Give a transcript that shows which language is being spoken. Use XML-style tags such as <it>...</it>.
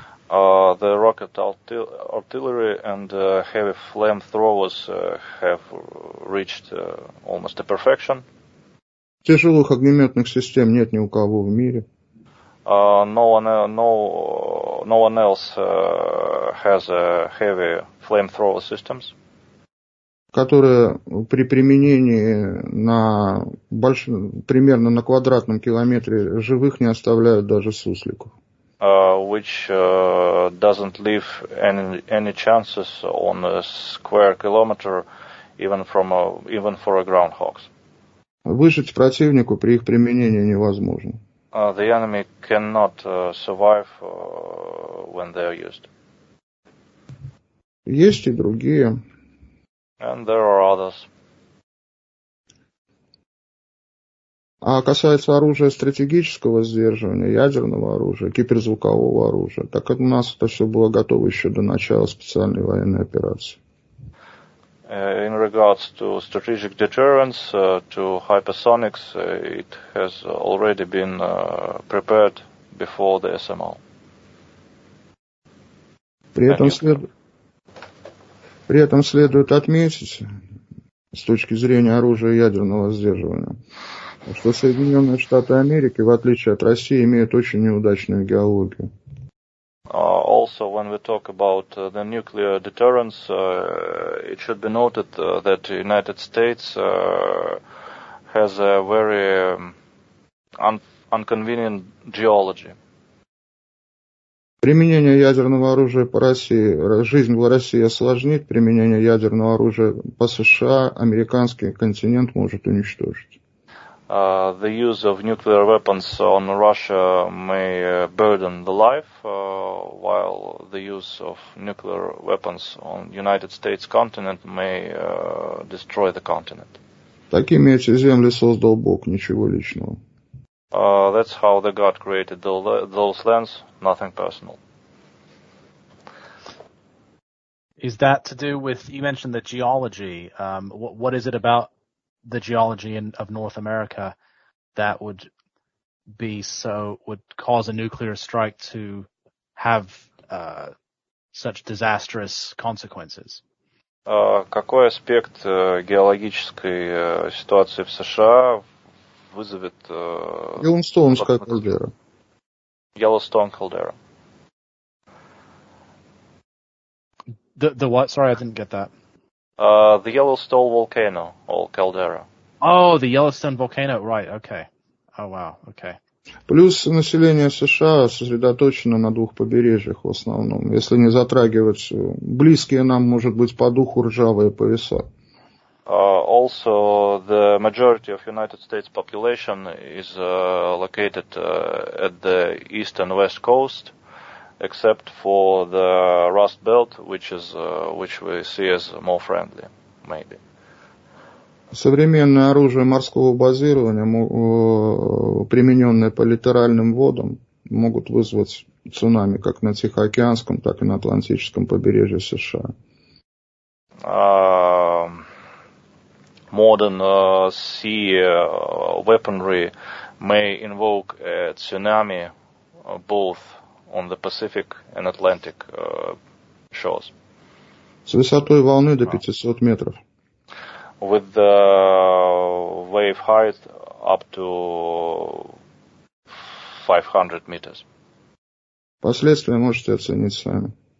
<en>The rocket artillery and heavy flamethrowers have reached almost a perfection.</en> <ru>Тяжелых огнеметных систем нет ни у кого в мире.</ru> <en>No one else has a heavy flamethrower systems,</en> <ru>которые при применении на большом, примерно на квадратном километре живых не оставляют даже сусликов.</ru> <en>Which doesn't leave any chances on a square kilometer, even for a groundhog.</en> <ru>Выжить противнику при их применении невозможно.</ru> <en>The enemy cannot survive when they are used.</en> <ru>Есть и другие.</ru> <en>And there are others.</en> <ru>А касается оружия стратегического сдерживания, ядерного оружия, киберзвукового оружия, так у нас это все было готово еще до начала специальной военной операции.</ru> <en>In regards to strategic deterrence, to hypersonics, it has already been prepared before the SMO.</en> <ru>При этом следует отметить, с точки зрения оружия ядерного сдерживания, что Соединенные Штаты Америки, в отличие от России, имеют очень неудачную геологию.</ru> <en>Also, when we talk about the nuclear deterrence, it should be noted that the United States has a very inconvenient geology.</en> <ru>Применение ядерного оружия по России, жизнь в России осложнит, применение ядерного оружия по США, американский континент может уничтожить.</ru> <en>The use of nuclear weapons on Russia may burden the life, while the use of nuclear weapons on United States continent may destroy the continent.</en> <ru>Такими эти земли создал Бог, ничего личного.</ru> <en>That's how the God created those lands, nothing personal. Is that to do with, you mentioned the geology, what is it about the geology of North America that would be so, would cause a nuclear strike to have such disastrous consequences?</en> <ru>Какой аспект геологической ситуации в США вызовет... Йеллоустонская кальдера. Йеллоустон кальдера.</ru> <en>The what? Sorry, I didn't get that. The Yellowstone volcano, or caldera. Oh, the Yellowstone volcano, right, okay. Oh, wow, okay.</en> <ru>Плюс население США сосредоточено на двух побережьях в основном, если не затрагивать близкие нам, может быть, по духу ржавые пояса.</ru> <en>Also, the majority of United States population is located at the east and west coast, except for the Rust Belt, which we see as more friendly. maybe.</en> <ru>Современное оружие морского базирования, примененное по литоральным водам, могут вызвать цунами как на Тихоокеанском, так и на Атлантическом побережье США.</ru> <en>Modern sea weaponry may invoke a tsunami both on the Pacific and Atlantic shores.</en> <ru>С высотой волны до 500 метров.</ru> <en>With the wave height up to 500 meters.</en> <ru>Последствия можете оценить сами.</ru>